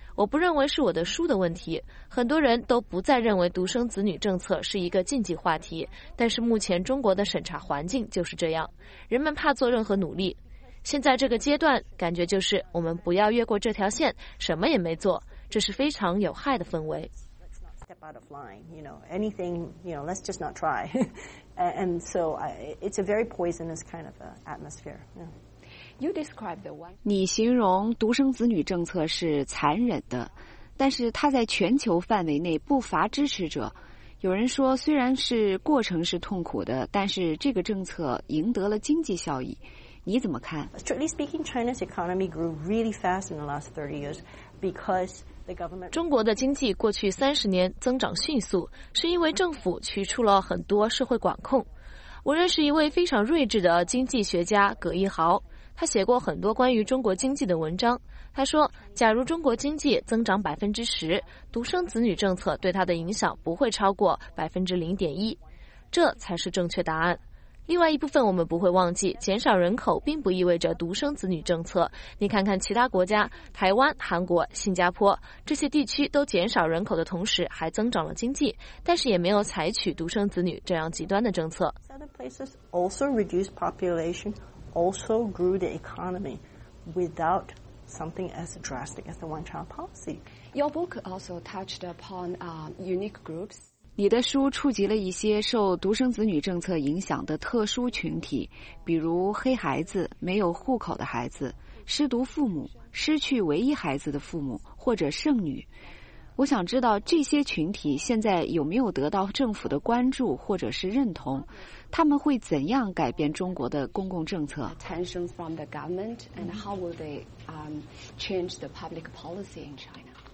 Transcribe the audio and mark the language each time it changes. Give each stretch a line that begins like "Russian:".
Chinese: 我不认为是我的书的问题，很多人都不再认为独生子女政策是一个禁忌话题，但是目前中国的审查环境就是这样，人们怕做任何努力。现在这个阶段感觉就是我们不要越过这条线，什么也没做，这是非常有害的氛围。
English: Let's not step out of line, you know, anything, you know, let's just not try. And so it's a very poisonous kind of atmosphere. You describe the one.
Chinese: 你形容独生子女政策是残忍的，但是它在全球范围内不乏支持者。有人说虽然是过程是痛苦的，但是这个政策赢得了经济效益。你怎么看？
English: Strictly speaking, China's economy grew really fast in the last 30 years because the government.
Chinese: 中国的经济过去三十年增长迅速，是因为政府取出了很多社会管控。我认识一位非常睿智的经济学家葛一豪，他写过很多关于中国经济的文章。他说，假如中国经济增长10%，独生子女政策对他的影响不会超过0.1%，这才是正确答案。另外一部分我们不会忘记，减少人口并不意味着独生子女政策。你看看其他国家，台湾、韩国、新加坡，这些地区都减少人口的同时还增长了经济，但是也没有采取独生子女这样极端的政策。
English: Southern places also reduced population, also grew the economy without something as drastic as the one-child policy. Your book also touched upon unique groups.
Chinese: 你的书触及了一些受独生子女政策影响的特殊群体，比如黑孩子、没有户口的孩子、失独父母、失去唯一孩子的父母或者剩女。我想知道这些群体现在有没有得到政府的关注或者是认同，他们会怎样改变中国的公共政策？
English: Attention from the government and how will they change the public policy in China?